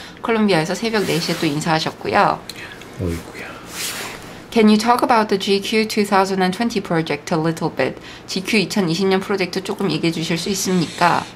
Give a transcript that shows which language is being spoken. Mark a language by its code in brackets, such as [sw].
[ko] 콜롬비아에서 새벽 4시에 또 인사하셨고요. 어이구야. [en] Can you talk about the GQ 2020 project a little bit? [ko] GQ 2020년 프로젝트 조금 얘기해 주실 수 있습니까?